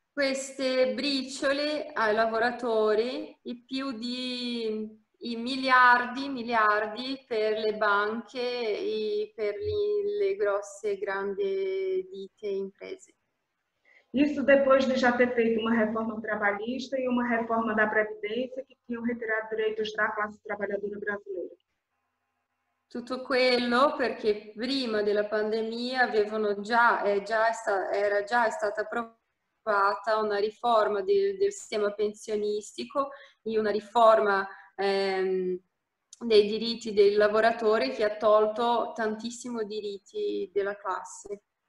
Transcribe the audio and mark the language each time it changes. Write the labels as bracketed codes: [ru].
[it] Queste briciole ai lavoratori e più di i miliardi per le banche e per le grosse grandi ditte e imprese. [pt] Isso depois de já ter feito uma reforma trabalhista e uma reforma da previdência que tinham retirado direitos da classe trabalhadora brasileira. [it] Tutto quello perché prima della pandemia avevano era già stata approvata una riforma del sistema pensionistico e una riforma dei diritti del lavoratore che ha tolto tantissimi diritti della classe.